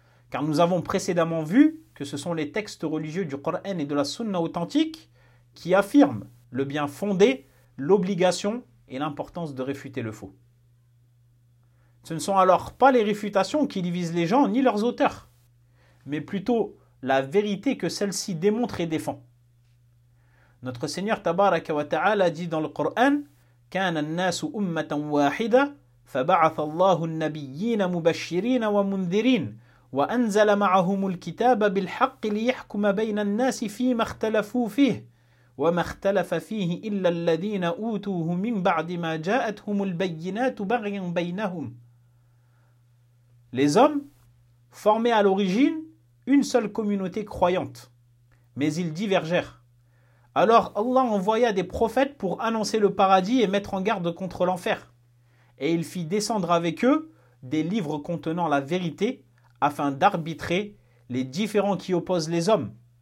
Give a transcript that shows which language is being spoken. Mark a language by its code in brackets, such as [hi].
[fr] Car nous avons précédemment vu que ce sont les textes religieux du Coran et de la Sunna authentique qui affirment le bien fondé, l'obligation et l'importance de réfuter le faux. Ce ne sont alors pas les réfutations qui divisent les gens ni leurs auteurs, mais plutôt la vérité que celle-ci démontre et défend. Notre Seigneur Tabaraka wa Ta'ala a dit dans le Coran: [ar] كان الناس أمة واحدة فبعث الله النبيين مبشرين ومنذرين وأنزل معهم الكتاب بالحق ليحكم بين الناس فيما اختلفوا فيه وما اختلف فيه إلا الذين أوتوه من بعد ما جاءتهم البينات بغيا بينهم. [fr] Les hommes formaient à l'origine une seule communauté croyante, mais ils divergèrent. Alors Allah envoya des prophètes pour annoncer le paradis et mettre en garde contre l'enfer. Et il fit descendre avec eux des livres contenant la vérité afin d'arbitrer les différends qui opposent les hommes.